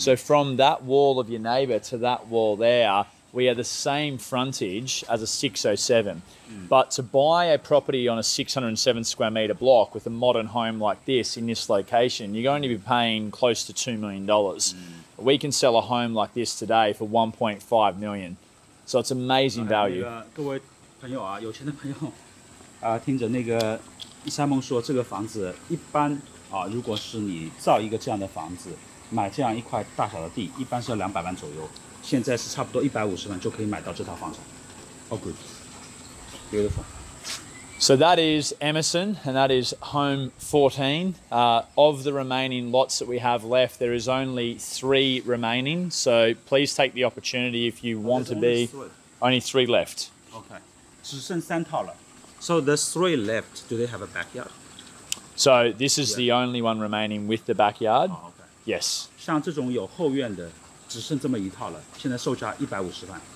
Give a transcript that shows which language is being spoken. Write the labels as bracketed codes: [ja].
[en] So from that wall of your neighbor to that wall there, we are the same frontage as a 607. Mm. But to buy a property on a 607 square meter block with a modern home like this in this location, you're going to be paying close to $2 million. Mm. We can sell a home like this today for $1.5 million. So it's amazing value. [zh] 各位朋友啊，有钱的朋友，听着那个三梦说，这个房子一般啊，如果是你造一个这样的房子，买这样一块大小的地，一般是要200万左右。现在是差不多150万就可以买到这套房子。 [en] Oh, good. Beautiful. So that is Emerson, and that is home 14. Of the remaining lots that we have left, there is only three remaining. So please take the opportunity if you want to be. Only three left. [zh] Okay. 只剩三套了。 [en] So the three left, do they have a backyard? So this is the only one remaining with the backyard. Oh, okay. Yes. [zh] 像这种有后院的只剩这么一套了，现在售价150万。